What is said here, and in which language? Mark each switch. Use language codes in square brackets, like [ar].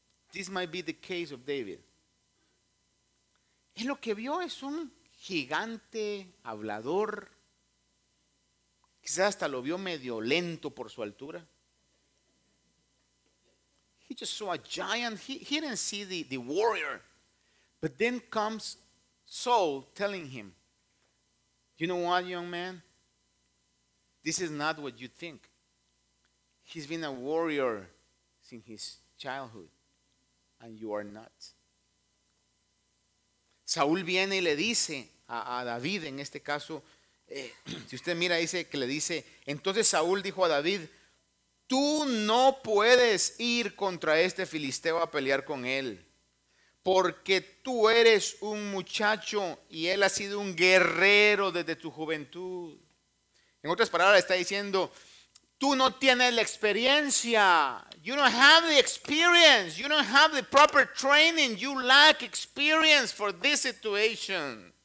[en] This might be the case of David. [es] Él lo que vio es un gigante hablador. Quizás hasta lo vio medio lento por su altura. [en] He just saw a giant. He didn't see the warrior. But then comes Saul telling him, you know what, young man? This is not what you think. He's been a warrior since his childhood, and you are not. [es] Saúl viene y le dice a David, en este caso, si usted mira, dice que le dice, entonces Saúl dijo a David, tú no puedes ir contra este filisteo a pelear con él, porque tú eres un muchacho y él ha sido un guerrero desde tu juventud. En otras palabras, está diciendo, tú no tienes la experiencia. [en] You don't have the experience. You don't have the proper training. You lack experience for this situation.